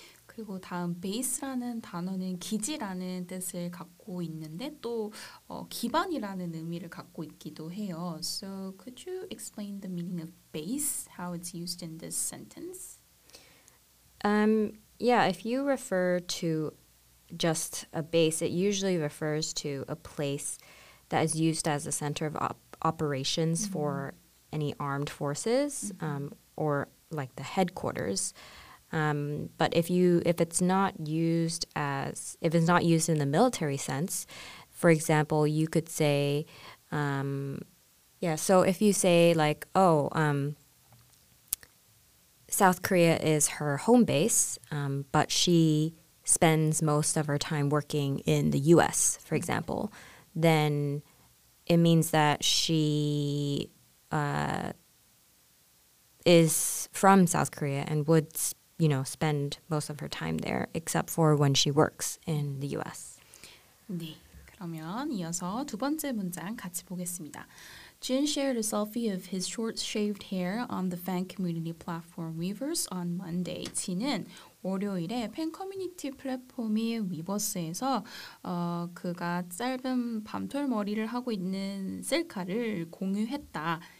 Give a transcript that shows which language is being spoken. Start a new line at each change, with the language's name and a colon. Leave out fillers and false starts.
Korean: 그리고 다음 base라는 단어는 기지라는 뜻을 갖고 있는데 또 기반이라는 의미를 갖고 있기도 해요.
English: So could you explain the meaning of base, how it's used in this sentence? Yeah, if you refer to just a base, it usually refers to a place that is used as a center of operations mm-hmm. for any armed forces mm-hmm. Or like the headquarters. But if it's not used in the military sense, for example, you could say, so if you say like, South Korea is her home base, but she spends most of her time working in the US, for example, then it means that she, is from South Korea and would spend most of her time there, except for when she works in the U.S.
Korean: 네, 그러면 이어서 두 번째 문장 같이 보겠습니다.
English: Jin shared a selfie of his short-shaved hair on the fan community platform Weverse on Monday.
Korean: Jin은 월요일에 팬 커뮤니티 플랫폼이 위버스에서 그가 짧은 밤톨 머리를 하고 있는 셀카를 공유했다.